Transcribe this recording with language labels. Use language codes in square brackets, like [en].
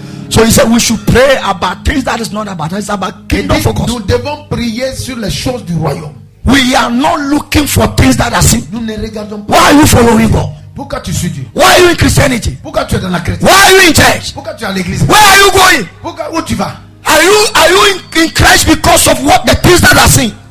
[en] So he said we should pray about things that is not about us, it's about kingdom focus. [fr] Nous devons prier sur les choses du royaume. [en] We are not looking for things that are seen. [fr] Nous ne regardons pas. [en] Why are you following God? [fr] Pourquoi tu suis Dieu? [en] Why are you in Christianity? [fr] Pourquoi tu es dans la chrétienté? [en] Why are you in church? [fr] Pourquoi tu es à l'église? [en] Where are you going? [fr] Pourquoi où tu vas? [en] Are you in Christ because of what the things that are seen?